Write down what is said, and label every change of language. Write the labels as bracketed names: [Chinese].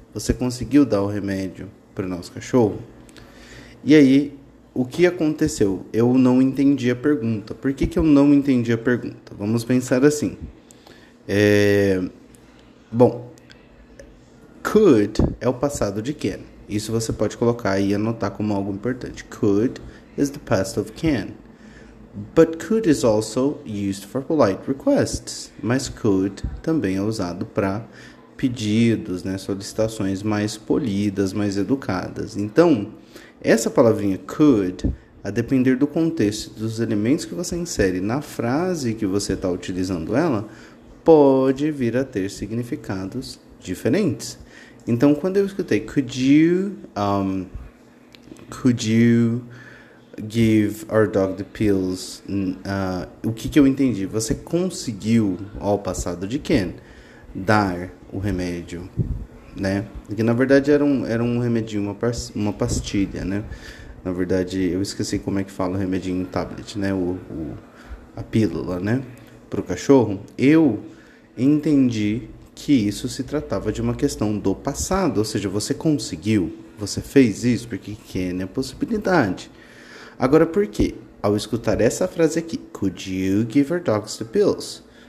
[Portuguese] Você conseguiu dar o remédio para o nosso cachorro? E aí, o que aconteceu? Eu não entendi a pergunta. Por que que eu não entendi a pergunta? Vamos pensar assim. Could é o passado de can. Isso você pode colocar e anotar como algo importante. [English] Could is the past of can. But could is also used for polite requests. [Portuguese] Mas could também é usado para pedidos, né, solicitações mais polidas, mais educadas. Então, essa palavrinha could, a depender do contexto, dos elementos que você insere na frase que você está utilizando ela, pode vir a ter significados diferentes. Então, quando eu escutei [English] could you give our dog the pills, [Portuguese] o que eu entendi? Você conseguiu, ao passado de can, dar o remédio, né? Que na verdade era um remedinho, uma pastilha, né? Na verdade, eu esqueci como é que fala o remedinho em tablet, né? A pílula, né? Para o cachorro. Eu entendi que isso se tratava de uma questão do passado, ou seja, você conseguiu, você fez isso, porque can é a possibilidade. Agora, por quê? Ao escutar essa frase aqui, [English] could you give our dogs the pills?